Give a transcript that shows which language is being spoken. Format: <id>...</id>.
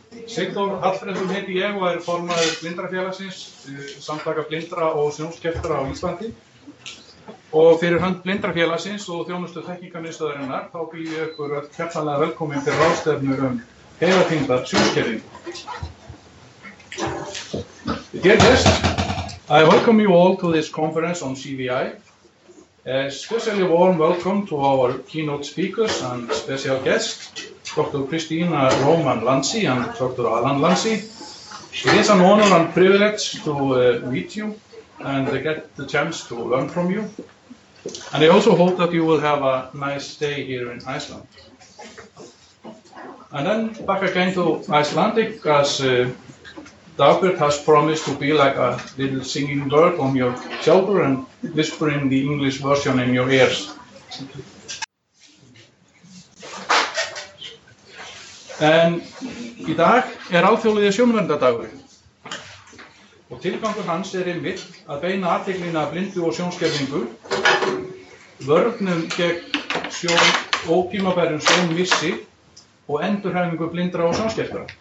<is>Sigþór Hallfreðsson heiti ég og er formaður Blindrafélagsins, samtaka blindra og sjónskertra á Íslandi. Og fyrir hönd Blindrafélagsins og þjónustu þekkingarmiðstöðarinnar, þá býð ég ykkur öll hjartanlega velkominn til ráðstefnur heyrafíndar sjónskerðing.</is> <en>Dear guest, I welcome you all to this conference on CVI. Especially a warm welcome to our keynote speakers and special guests, Dr. Christina Roman Lancy and Dr. Alan Lancy. It is an honor and privilege to meet you and get the chance to learn from you. And I also hope that you will have a nice stay here in Iceland. And then back again to Icelandic, as Dagbjörg has promised to be like a little singing bird on your shoulder and whispering the English version in your ears.</en> <is>En í dag alþjóðlegi sjónverndardagur. Og tilgangur hans einmitt að beina athyglina að blindu og sjónskerðingu, vörnum gegn sjón, ótímabærum sjónmissi og endurhæfingu blindra og sjónskerðra.</is>